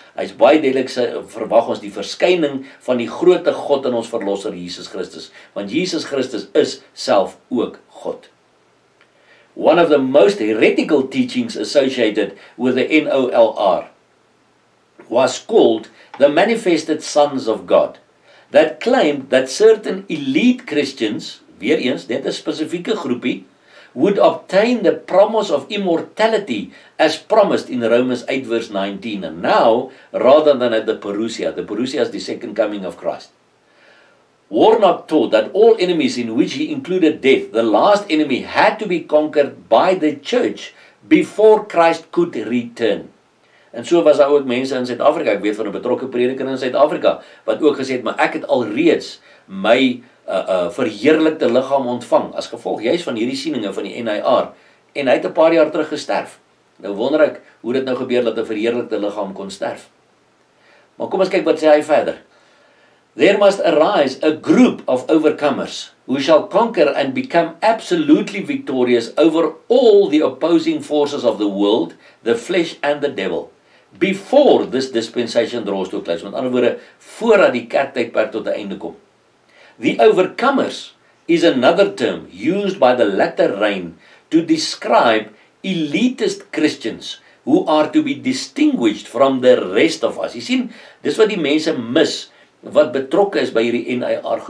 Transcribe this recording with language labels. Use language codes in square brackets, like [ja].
[af] Hy is baie duidelik sê, verwag ons die verskyning van die grote God en ons verlosser Jesus Christus. Want Jesus Christus is self ook God. [en] One of the most heretical teachings associated with the N.O.L.R. was called the Manifested Sons of God, that claimed that certain elite Christians, [af] weer eens, net 'n spesifieke groepie, [en] would obtain the promise of immortality as promised in Romans 8 verse 19, and now rather than at the parousia. The parousia is the second coming of Christ. Warnock taught that all enemies, in which he included death, the last enemy, had to be conquered by the church before Christ could return. [af] En so was daar ook mense in Suid-Afrika, ek weet van 'n betrokke prediker in Suid-Afrika, wat ook gesê het, maar ek het alreeds my verheerlikte liggaam ontvang, as gevolg juist van hierdie sieninge van die N.A.R. En hy het 'n paar jaar terug gesterf. Nou wonder ek hoe dit nou gebeur dat 'n verheerlikte liggaam kon sterf. Maar kom ons kyk wat sê hy verder. [en] There must arise a group of overcomers who shall conquer and become absolutely victorious over all the opposing forces of the world, the flesh and the devil, before this dispensation draws to a close. [af] Met ander woorde, voordat die kerktydperk tot 'n einde kom. [en] The overcomers is another term used by the latter rain to describe elitist Christians who are to be distinguished from the rest of us. [af] Jy sien, dis wat die mense mis wat betrokke is by hierdie N.A.R.